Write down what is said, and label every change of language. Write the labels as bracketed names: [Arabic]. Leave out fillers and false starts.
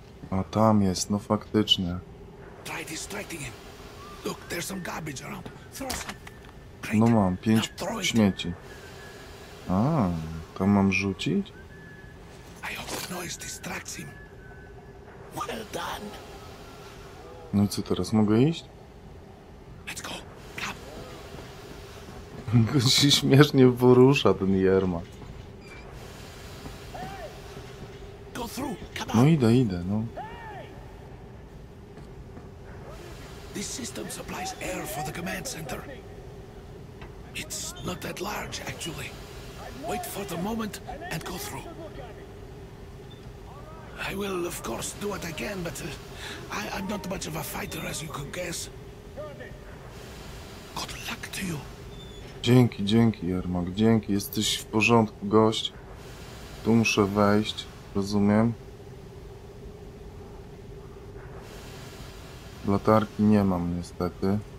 [Polish] A tam jest, no faktycznie. [English] Try distracting him. Look, there's some garbage around. Throw some. [Polish] No mam, 5 śmieci. A, to mam rzucić? [English] I hope the noise distracts him. Well done. [Polish] No i co teraz, mogę iść? [English] Let's go. Come. [Polish] Się śmiesznie porusza ten Jermak. No idę, idę, no. [English] This system supplies air for the command center. It's not that large, actually. Wait for the moment and go through. I will, of course, do it again, but I'm not much of a fighter, as you could guess. Good luck to you. [Polish] Dzięki, dzięki, Jermak, dzięki. Jesteś w porządku, gość. Tu muszę wejść, rozumiem. Latarki nie mam niestety.